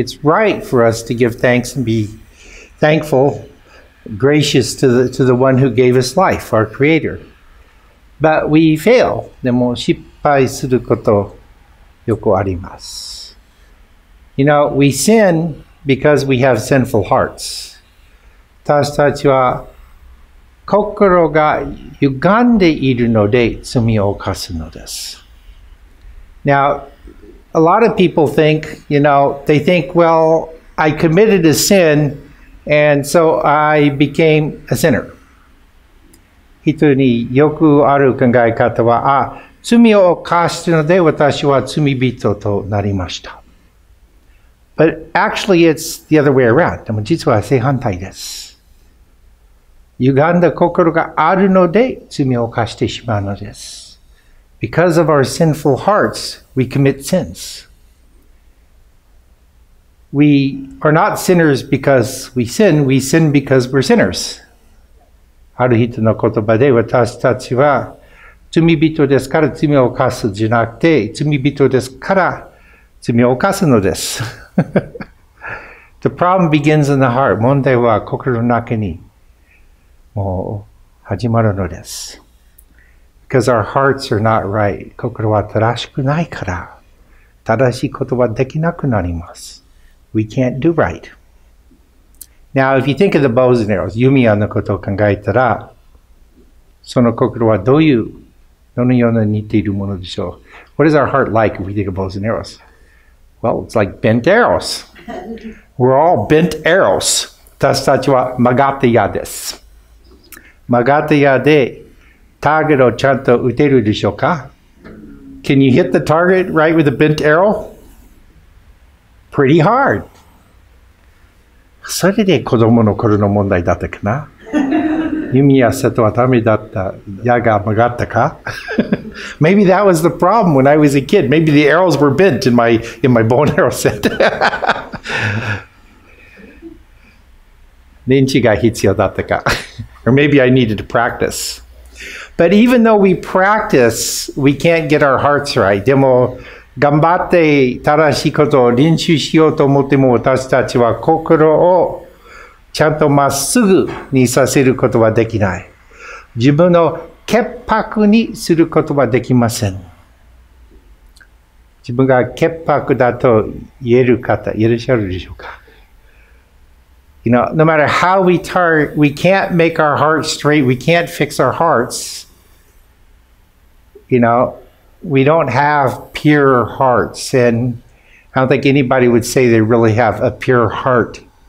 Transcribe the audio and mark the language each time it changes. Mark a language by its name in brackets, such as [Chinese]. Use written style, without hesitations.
[English] It's right for us to give thanks and be thankful gracious to the one who gave us life, our creator But we fail [Japanese] でも失敗することよくあります [English] You know, we sin because we have sinful hearts. [Japanese] 私たちは心が歪んでいるので罪を犯すのです。 [English] Now, a lot of people think, you know, they think, well, I committed a sin, and so I became a sinner. [Japanese] 人によくある考え方は、あ、罪を犯したので私は罪人となりました。 [English] But actually, it's the other way around. [Japanese] でも実は正反対です。歪んだ心があるので罪を犯してしまうのです。 [English] Because of our sinful hearts, we commit sins. We are not sinners because we sin because we're sinners. [Japanese] ある人の言葉で私たちは罪人ですから罪を犯すじゃなくて罪人ですから罪を犯すのです。 [English] The problem begins in the heart. [Japanese] 問題は心の中にもう始まるのです。 [English] Because our hearts are not right. [Japanese] 心は正しくないから、正しいことはできなくなります。 [English] We can't do right. Now, if you think of the bows and arrows, [Japanese] 弓矢のことを考えたら、その心はどういう、どのような似ているものでしょう。 [English] What is our heart like if we think of bows and arrows? Well, it's like bent arrows. We're all bent arrows. [Japanese] 私たちは曲がった矢です。曲がった矢でターゲットをちゃんと撃てるでしょうか? [English] Can you hit the target right with a bent arrow? Pretty hard. [Japanese] それで子供の頃の問題だったかな?弓矢瀬戸はダメだった矢が曲がったか? [English] Maybe that was the problem when I was a kid. Maybe the arrows were bent in my bow and arrow set. [Japanese] 練習が必要だったか? [English] Or maybe I needed to practice. But even though we practice, we can't get our hearts right. [Japanese] でも頑張って正しいことを練習しようと思っても私たちは心をちゃんとまっすぐにさせることはできない。自分の潔白にすることはできません。自分が潔白だと言える方、いらっしゃるでしょうか? [English] You know, no matter how we try, we can't make our hearts straight, we can't fix our hearts. You know, we don't have pure hearts. And I don't think anybody would say they really have a pure heart.